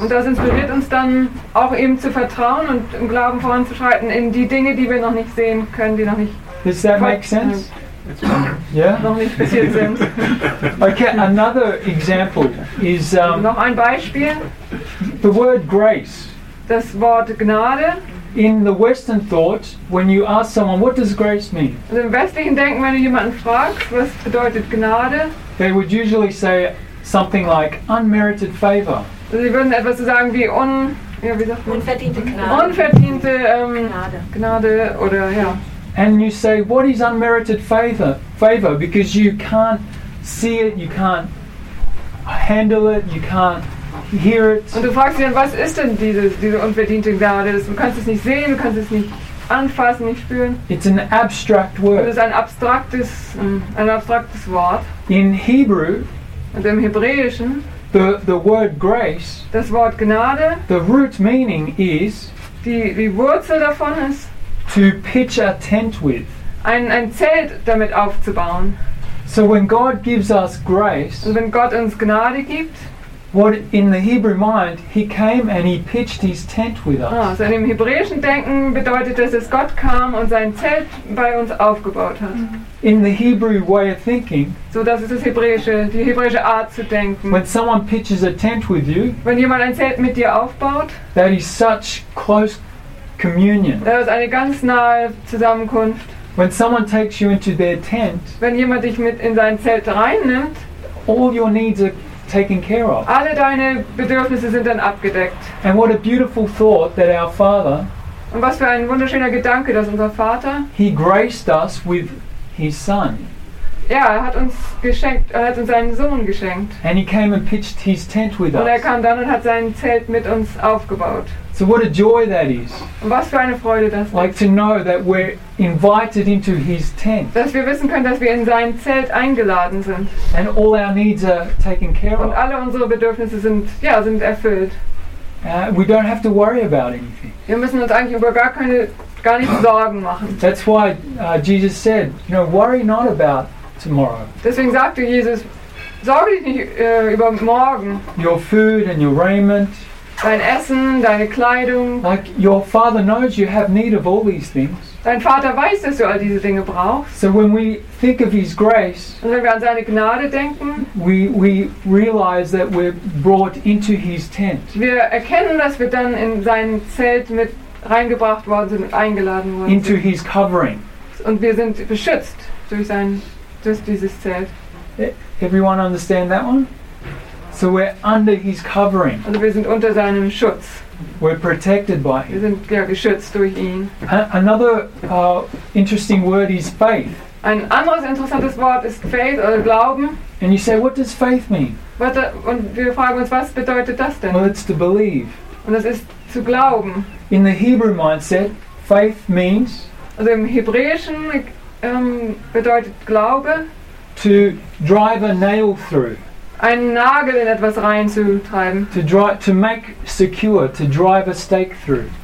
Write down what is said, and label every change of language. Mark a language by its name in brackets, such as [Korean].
[German] Und das inspiriert uns dann auch ihm zu vertrauen und im Glauben voranzuschreiten in die Dinge, die wir noch nicht sehen können, die noch nicht. [English] Does that make sense? Yeah. [German] Noch nicht passiert sind. [English] Okay, another example is. [German] Noch ein Beispiel. [English] The word grace. [German] Das Wort Gnade. [English] In the Western thought, when you ask someone, what does grace mean? [German] Also im westlichen Denken, wenn du jemanden fragst, was bedeutet Gnade? [English] They would usually say something like unmerited favor. [German] Also sie würden etwas so sagen wie unverdiente Gnade. Unverdiente Gnade oder ja. [English] And you say, what is unmerited favor? Because you can't see it, you can't handle it, you can't hear it. [German] Und du fragst ihn dann, was ist denn diese unverdiente Gnade? Du kannst es nicht sehen, du kannst es nicht anfassen, nicht spüren. [English] It's an abstract word. [German] Und es ist ein abstraktes Wort. [English] In Hebrew, [German] und im Hebräischen, [English] the word grace, [German] das Wort Gnade, [English] the root meaning is, [German] die Wurzel davon ist, [English] to pitch a tent with, [German] ein Zelt damit aufzubauen. [English] So when God gives us grace, [German] und wenn Gott uns Gnade gibt, [English] what in the Hebrew mind, he came and he pitched his tent with us. [German] Also in dem hebräischen Denken bedeutet das, dass Gott kam und sein Zelt bei uns aufgebaut hat. [English] In the Hebrew way of thinking, [German] so das ist die hebräische Art zu denken. [English] When someone pitches a tent with you, [German] wenn jemand ein Zelt mit dir aufbaut, [English] that is such close communion. [German] Das ist eine ganz nahe Zusammenkunft. [English] When someone takes you into their tent, [German] wenn jemand dich mit in sein Zelt reinnimmt, [English] all your needs are taken care of. [German] Alle deine Bedürfnisse sind dann abgedeckt. [English] And what a beautiful thought that our Father, [German] und was für ein wunderschöner Gedanke, dass unser Vater, [English] he graced us with his Son. [German] Ja, er hat uns seinen Sohn geschenkt. [English] And he came and pitched his tent with us. [German] Und er kam dann und hat sein Zelt mit uns aufgebaut. [English] So what a joy that is. [German] Und was für eine Freude das ist. [English] Like to know that we're invited into his tent. [German] Dass wir wissen können, dass wir in sein Zelt eingeladen sind. [English] And all our needs are taken care of. [German] Und alle unsere Bedürfnisse sind erfüllt. [English] We don't have to worry about anything. [German] Wir müssen uns eigentlich über gar nicht Sorgen machen. [English] That's why Jesus said, you know, worry not about tomorrow. [German] Deswegen sagte Jesus, sorge dich nicht über morgen. [English] Your food and your raiment. [German] Dein Essen, deine Kleidung. [English] Like your Father knows you have need of all these things. [German] Dein Vater weiß, dass du all diese Dinge brauchst. [English] So when we think of his grace, [German] und wenn wir an seine Gnade denken, [English] we realize that we're brought into his tent. [German] Wir erkennen, dass wir dann in sein Zelt mit reingebracht worden sind, eingeladen worden [English] into [German] sind. [English] His covering. [German] Und wir sind beschützt durch sein dieses Zelt. [English] Everyone understand that one? So we're under his covering. [German] Also wir sind unter seinem Schutz. [English] We're protected by him. [German] Wir sind ja geschützt durch ihn. [English] Another interesting word is faith. [German] Ein anderes interessantes Wort ist faith oder Glauben. [English] And you say, what does faith mean? [German] Und wir fragen uns, was bedeutet das denn? [English] Well, it's to believe. [German] Und das ist zu glauben. [English] In the Hebrew mindset, faith means. [German] Also im Hebräischen bedeutet Glaube [English] to drive a nail through, [German] einen Nagel in etwas reinzutreiben, [English] to make secure, to drive a stake through,